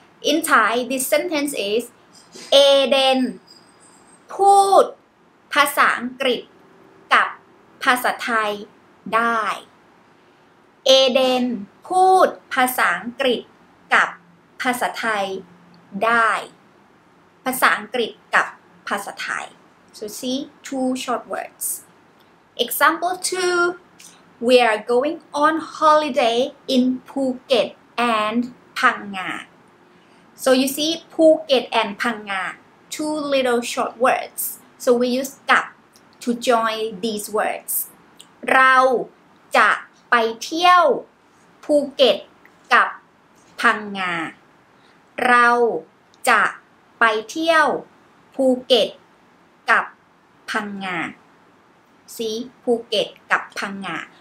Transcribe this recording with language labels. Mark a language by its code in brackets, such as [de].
[en] In Thai, this sentence is Eden [th] พูดภาษาอังกฤษกับภาษาไทยได้เอเดนพูดภาษาอังกฤษกับภาษาไทยได้ภาษาอังกฤษกับภาษาไทย [en] so see 2 short words. Example 2, we are going on holiday in Phuket and Phanga. So you see Phuket and Phanga, 2 little short words. So we use กับ to join these words. [th] เราจะไปเที่ยวภูเก็ตกับพังงาเราจะไปเที่ยวภูเก็ตกับพังงา [en] see [th] ภูเก็ตกับพังงา